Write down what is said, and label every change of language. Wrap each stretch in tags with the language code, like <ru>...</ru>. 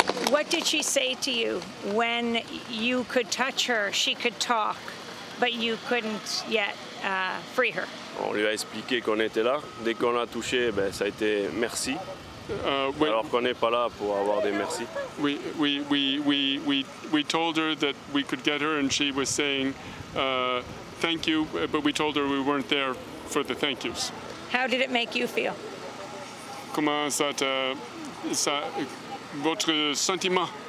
<en>What did she say to you when you could touch her? She could talk, but you couldn't yet free her.</en> <fr>On lui a expliqué qu'on était là. Dès qu'on l'a touché, ben, ça a été merci. Alors qu'on n'est pas là pour avoir des merci.</fr> <en>We told her that we could get her, and she was saying thank you, but we told her we weren't there for the thank yous. How did it make you feel?</en> <fr>Comment ça t'a, ça, votre sentiment?</fr>